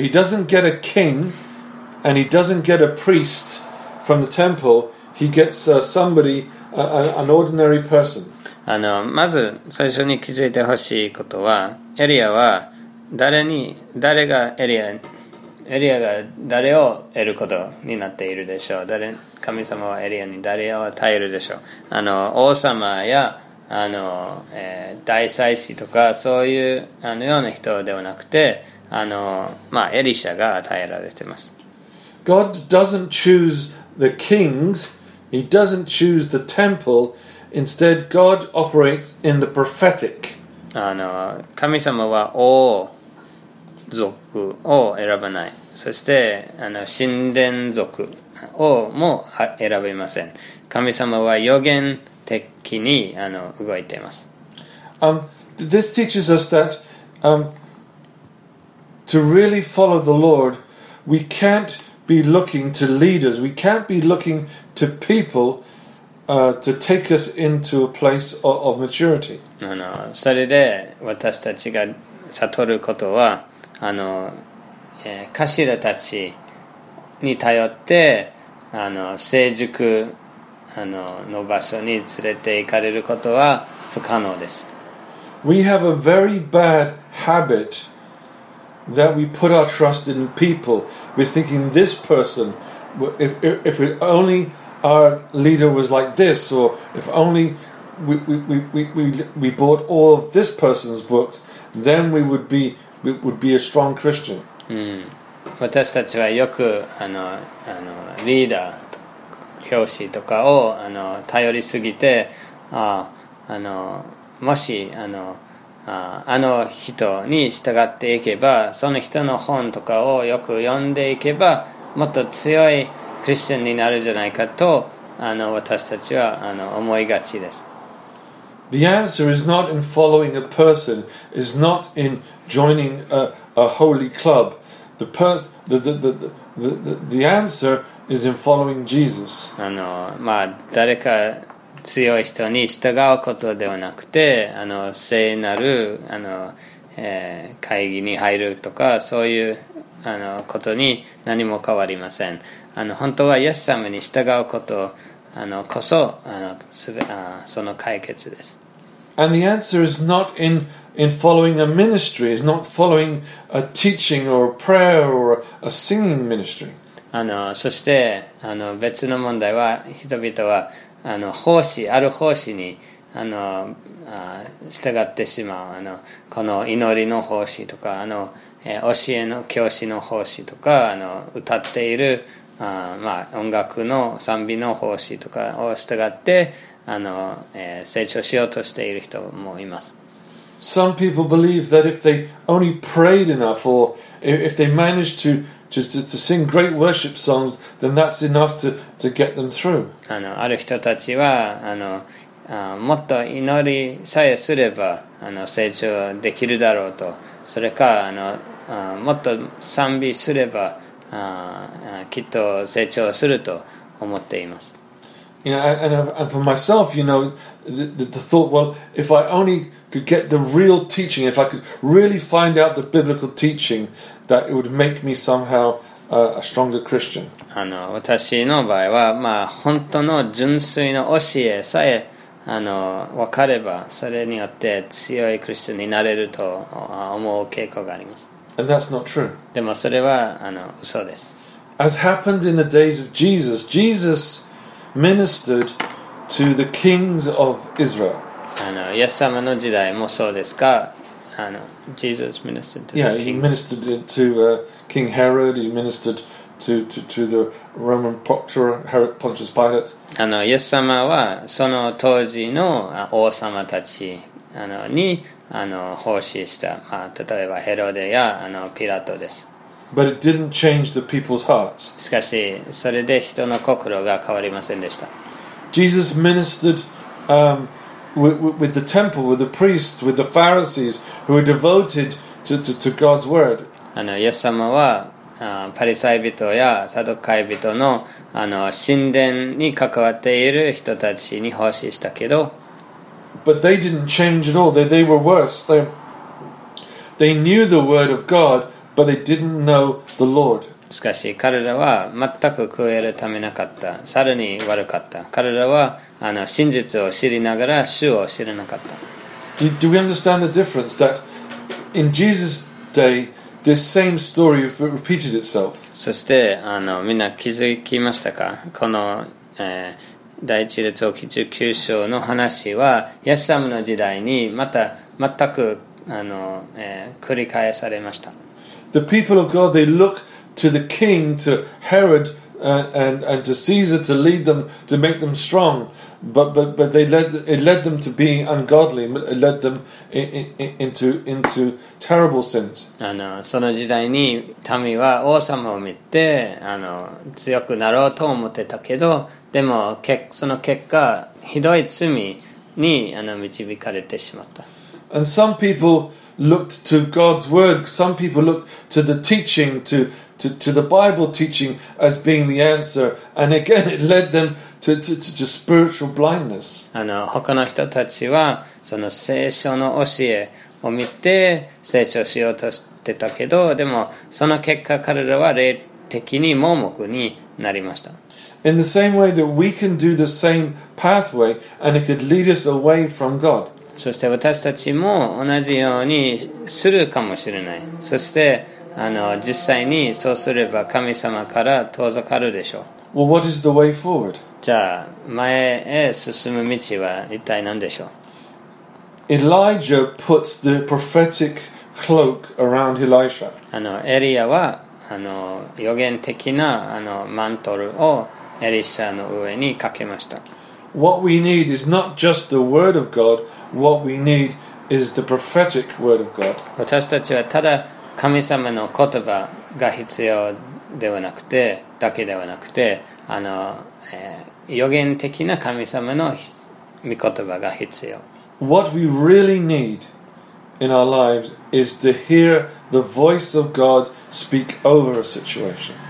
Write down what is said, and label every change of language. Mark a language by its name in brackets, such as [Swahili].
[English] He doesn't get a king and he doesn't get a priest from the temple. He gets somebody, an ordinary person. [Japanese] あのまず最初に気づいてほしいことは、エリアは誰がエリアが誰を得ることになっているでしょう。神様はエリアに誰を与えるでしょう。あの王様やあの、大祭司とかそういうあのような人ではなくて、あのまあエリシャが与えられています。 [English] God doesn't choose the kings. He doesn't choose the temple. Instead, God operates in the prophetic. [Japanese] あの、神様は王族を選ばない。そして、あの、神殿族をも選びません。神様は予言的にあの、動いています。 [English] This teaches us that, to really follow the Lord, we can't be looking to leaders. We can't be looking... to people to take us into a place of maturity. [Japanese] あのそれで私たちが悟ることはあの、頭たちに頼ってあの成熟あ の場所に連れて行かれることは不可能です。 [English] We have a very bad habit that we put our trust in people. We're thinking this person, if we onlyOur leader was like this, or if only we bought all of this person's books, then we would be a strong Christian.、 [Japanese] うん、私たちはよくあのあのリーダー教師とかをあの頼りすぎて、あのもしあのあの人に従っていけば、その人の本とかをよく読んでいけば、もっと強いクリスチャンになるじゃないかとあの私たちはあの思いがちです。 [English] The answer is not in following a person, is not in joining a holy club. The answer is in following Jesus. [Japanese] あの、まあ、誰か強い人に従うことではなくて、あの、聖なる、あの、会議に入るとか、そういう、あの、ことに何も変わりません。あの、本当はイエス様に従うこと、あの、こそ、あの、すべ、あ、その解決です。 [English] And the answer is not in following a ministry, it's not following a teaching or a prayer or a singing ministry. [Japanese] あの、そして、あの、別の問題は、人々は、あの、奉仕、ある奉仕に、あの、あ、従ってしまう。あの、この祈りの奉仕とか、あの、教えの教師の奉仕とか、あの、歌っている、あ、まあ、音楽の賛美の奉仕とかを従って、あの、成長しようとしている人もいます。 [English] Some people believe that if they only prayed enough or if they managed to sing great worship songs, then that's enough to get them through. [Japanese] あの、ある人たちは、あの、あ、もっと祈りさえすれば、あの、成長できるだろうと。それか、あの、あ、もっと賛美すれば、あ、きっと成長すると思っています。 [English] You know, and for myself, you know, the thought, well, if I only could get the real teaching, if I could really find out the biblical teaching, that it would make me somehow a stronger Christian. [Japanese] あの、私の場合は、まあ、本当の純粋な教えさえ、あの、分かれば、それによって強いクリスチャンになれると思う傾向があります。 [English] And that's not true. [Japanese] でもそれは、あの、嘘です。 [English] As happened in the days of Jesus, Jesus ministered to the kings of Israel. [Japanese] あの、イエス様の時代もそうですか。 [English] あの、Jesus ministered to the kings. He ministered to King Herod. He ministered to the Roman procurator Pontius Pilate. [Japanese] あの、イエス様はその当時の王様たち、あの、に、あの、奉仕した。まあ、例えばヘロデや、あの、ピラトです。 [English] But it didn't change the people's hearts. [Japanese] しかし、それで人の心が変わりませんでした。 [English] Jesus ministered with the temple, with the priests, with the Pharisees who were devoted to God's word. [Japanese] あの、イエス様は、パリサイ人やサドカイ人の、あの、神殿に関わっている人たちに奉仕したけど。 [English] But they didn't change at all. They were worse. They knew the word of God. But they didn't know the Lord. [Japanese] しかし彼らは全く悔い改めなかった。さらに悪かった。彼らは、あの、真実を知りながら主を知らなかった。 [English] Do we understand the difference that in Jesus' day this same story repeated itself? [Japanese] そして、あの、みんな気づきましたか？この、第一列王記十九章の話はイエス様の時代にまた全く、あの、繰り返されました。 [English] The people of God, they look to the king, to Herod, and to Caesar to lead them, to make them strong. But it led them to being ungodly. It led them into terrible sins. [Japanese] あの、その時代に民は王様を見て、あの、強くなろうと思ってたけど、でも、その結果、ひどい罪に、あの、導かれてしまった。 [English] And some people looked to God's word. Some people looked to the teaching, to the Bible teaching as being the answer. And again, it led them to spiritual blindness. [Japanese] あの、他の人たちはその聖書の教えを見て成長しようとしてたけど、でもその結果彼らは霊的に盲目になりました。 [English] In the same way that we can do the same pathway and it could lead us away from God. [Japanese] そして私たちも同じようにするかもしれない。そして、あの、実際にそうすれば神様から遠ざかるでしょう。 [English] Well, what is the way forward? [Japanese] じゃあ前へ進む道は一体何でしょう。 [English] Elijah puts the prophetic cloak around Elisha. [Japanese] あの、エリアは、あの、預言的な、あの、マントルをエリシャの上にかけました。 [English] What we need is not just the word of God, what we need is the prophetic word of God. [Japanese] 私たちはただ神様の言葉が必要ではなくて、だけではなくて、あの、予言的な神様の御言葉が必要。 [English] What we really need in our lives is to hear the voice of God speak over a situation.